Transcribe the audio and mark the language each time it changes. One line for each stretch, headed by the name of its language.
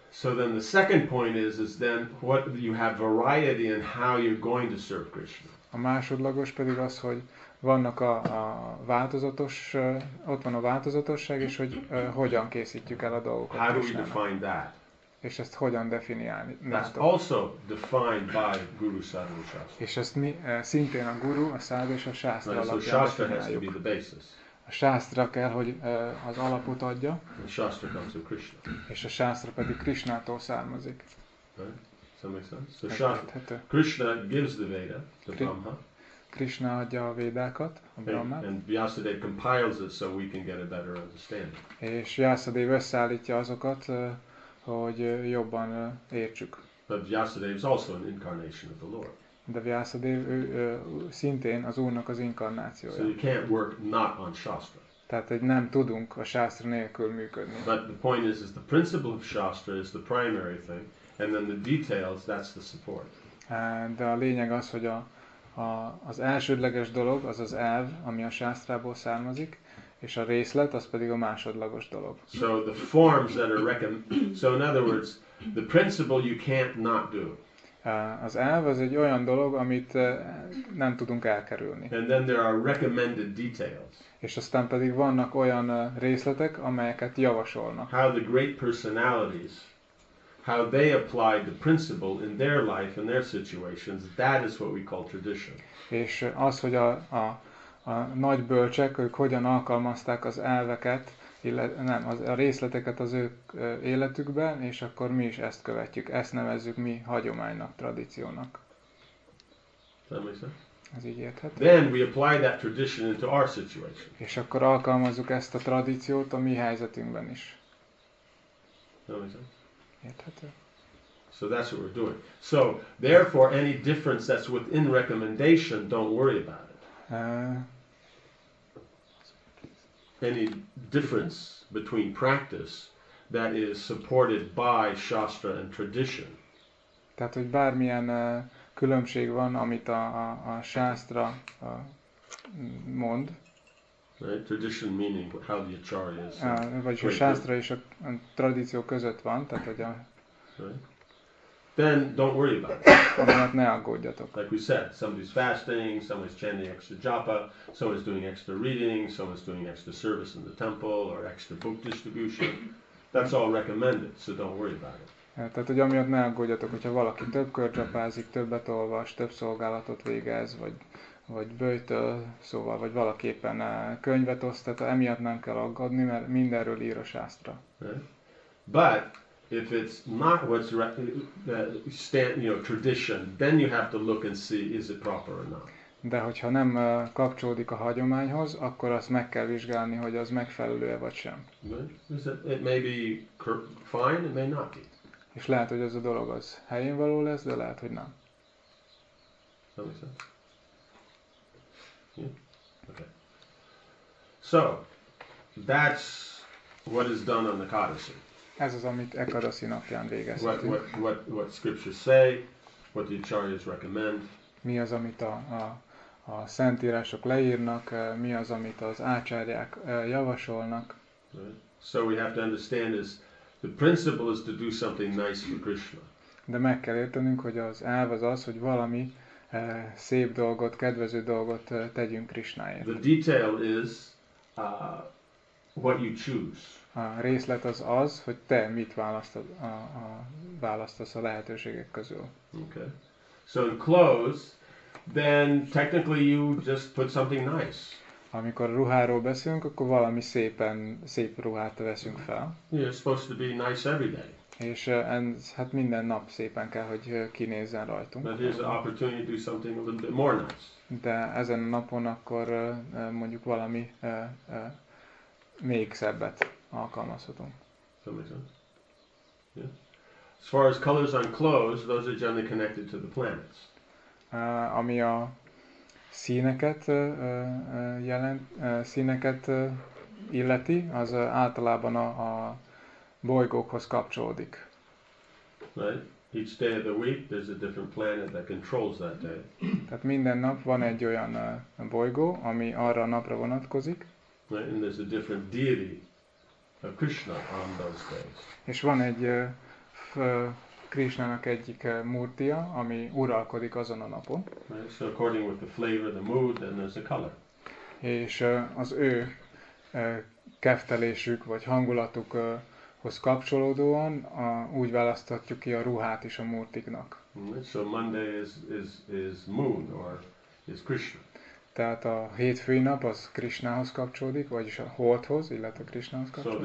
English: So then the second point is then what you have variety in how you're going to serve Krishna.
Hungarian: A másodlagos pedig az, hogy vannak a változatos, ott van a változatosság, és hogy hogyan készítjük el a dolgokat.
English: How do we define that?
Hungarian: És ezt hogyan definiálni?
English: That's also defined by Guru Sadhu Shastra.
Hungarian: És ezt mi szintén a guru, a sadhu és a sastra alapján definiáljuk.
English: So Shastra has to be the basis.
Hungarian: A sástra kell, hogy az alapot adja.
English: A sástra comes from Krishna.
Hungarian: És a sástra pedig Krishnától származik.
English: Right? So Krishna gives the Veda, the Brahma.
Hungarian: Krishna adja a Védákat, a Brahmát.
English: And Vyasadeva compiles it so we can get a better understanding.
Hungarian: És Vyasadeva összeállítja azokat, hogy jobban értsük.
English: But Vyasadeva is also an incarnation of the Lord.
Hungarian: De Vyasadeva szintén az Úrnak az inkarnációja.
English: So you can't work not on Shastra.
Hungarian: Tehát egy nem tudunk a Shastra nélkül működni.
English: But the point is the principle of Shastra is the primary thing, and then the details, that's the support.
Hungarian: De a lényeg az, hogy az elsődleges dolog, az az elv, ami a Shastrából származik, és a részlet, az pedig a másodlagos dolog.
English: So the forms that are so in other words, the principle you can't not do.
Hungarian: Az elv az egy olyan dolog, amit nem tudunk elkerülni.
English: And then there are recommended details.
Hungarian: És aztán pedig vannak olyan részletek, amelyeket javasolnak.
English: How the great personalities, how they applied the principle in their life and their situations, that is what we call tradition.
Hungarian: És az, hogy a nagy bölcsek, ők hogyan alkalmazták az elveket, a részleteket az ők életükben, és akkor mi is ezt követjük, ezt nevezzük mi hagyománynak, tradíciónak. Ez így érthető.
English: Then we apply that tradition into our situation.
Hungarian: És akkor alkalmazzuk ezt a tradíciót a mi helyzetünkben is. Érthető?
English: So that's what we're doing. So therefore any difference that's within recommendation, don't worry about it. Any difference between practice that is supported by Shastra and tradition.
Hungarian: Tehát, hogy bármilyen különbség van, amit a Shastra mond.
English: Right? Tradition meaning how the acharyas.
Hungarian: Vagy a Shastra és a tradíció között van, tehát hogy a.
English: Then don't worry about it.
Hungarian: Amiatt ne aggódjatok.
English: Like we said, somebody's fasting, somebody's chanting extra japa, somebody's doing extra reading, somebody's doing extra service in the temple or extra book distribution. That's all recommended, so don't worry about it.
Hungarian: Tehát, hogy amiatt ne aggódjatok, hogyha valaki több körjapázik, többet olvas, több szolgálatot végez, vagy böjtöl, szóval, vagy valaki éppen könyvet oszt, tehát emiatt nem kell aggódni, mert mindenről ír a sástra.
English: But if it's not what's stand, you know, tradition, then you have to look and see is it proper or not.
Hungarian: De hogyha nem kapcsolódik a hagyományhoz, akkor azt meg kell vizsgálni, hogy az megfelelő-e vagy sem.
English: It may be fine, it may not be.
Hungarian: És lehet, hogy ez a dolog az helyén való lesz, de lehet, hogy nem.
English: That makes sense. Yeah. Okay. So that's what is done on the codicil.
Hungarian: Ez az, amit Ekadasi napján végeztünk.
English: What scriptures say, what the acharyas recommend.
Hungarian: Mi az, amit a szentírások leírnak, mi az, amit az ácsárják javasolnak.
English: Right. So we have to understand is The principle is to do something nice for Krishna.
Hungarian: De meg kell értenünk, hogy az elv az az, hogy valami szép dolgot, kedvező dolgot tegyünk Krishnáért.
English: The detail is what you choose.
Hungarian: A részlet az az, hogy te mit választod, választasz a lehetőségek közül.
English: Okay. So in clothes, then technically you just put something nice.
Hungarian: Amikor ruháról beszélünk, akkor valami szépen, szép ruhát veszünk fel.
English: You're supposed to be nice every day.
Hungarian: És ez, hát minden nap szépen kell, hogy kinézzen rajtunk.
English: But here's an opportunity to do something a little bit more nice.
Hungarian: De ezen a napon akkor mondjuk valami még szebbet alkalmazhatunk.
English: Yeah. As far as colors on clothes, those are generally connected to the planets.
Hungarian: Ami a színeket jelent, színeket illeti, az általában a bolygókhoz kapcsolódik.
English: Right. Each day of the week there's a different planet that controls that day.
Hungarian: Tehát minden nap van egy olyan bolygó, ami arra a napra vonatkozik.
English: Right. And there's a different deity of Krishna on those days.
Hungarian: És van egy Krishnának egyik murtia, ami uralkodik azon a napon.
English: Right. So according with the flavor, the mood, then there's a color.
Hungarian: És az ő keftelésük vagy hangulatuk hoz kapcsolódóan úgy választhatjuk ki a ruhát is a murtiknak.
English: So Monday is moon or is Krishna.
Hungarian: Tehát a hétfői nap az Krishnához kapcsolódik, vagyis a holdhoz, illetve Krishnához kapcsolódik.